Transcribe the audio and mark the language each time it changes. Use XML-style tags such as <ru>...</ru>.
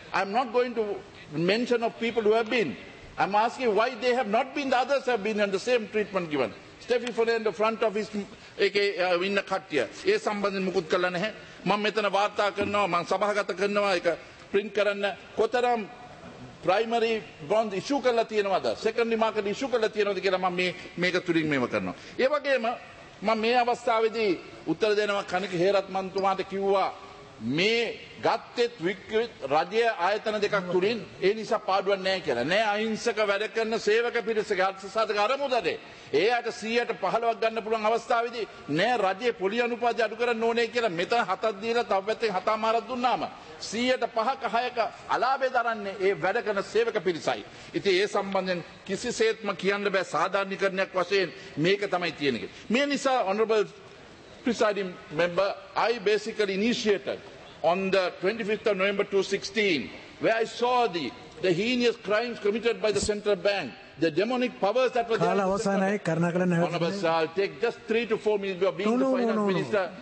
<en>I'm not going to mention of people who have been. I'm asking why they have not been, the others have been and the same treatment given. Steffi Fulham, the front office, AK Winna Khattiya.</en> <si>ඒ සම්බන්ධයෙන් මුකුත් කළා නැහැ. මම මෙතන වාර්තා කරනවා, මම සභාගත කරනවා, ඒක print කරන්න. කොතරම්</si> <en>primary bond issue</en> <si>කරලා තියෙනවද?</si> <en>secondary market issue</en> <si>කරලා තියෙනවද කියලා මම මේක තුලින් මේව කරනවා. ඒ වගේම මම මේ අවස්ථාවේදී උත්තර දෙනවා කණික හේරත් මන්තුමාට කිව්වා මේ ගත්තෙත් වික්‍රිත රජය ආයතන දෙකක් තුලින් ඒ නිසා පාඩුවක් නැහැ කියලා. නෑ අහිංසක වැඩ කරන සේවක පිරිසගේ අර්ථසාධක අරමුදද? ඒ අයට 100ට 15ක් ගන්න පුළුවන් අවස්ථාවේදී නෑ රජයේ පොලිය අනුපාතය අඩු කරන්න ඕනේ කියලා මෙතන හතක් දීලා තව පැත්තෙන් හතමාරක් දුන්නාම 100ට 5ක 6ක අලාභය දරන්නේ ඒ වැඩ කරන සේවක පිරිසයි. ඉතින් ඒ සම්බන්ධයෙන් කිසිසේත්ම කියන්න බෑ සාධාරණීකරණයක් වශයෙන් මේක තමයි තියෙන්නේ. මේ නිසා ඔනරබල්</si> <en>presiding member, I basically initiated on the 25th of November 2016, where I saw the heinous crimes committed by the central bank, the demonic powers that were there. I'll take just 3 to 4 minutes. We are being the finance minister.</en>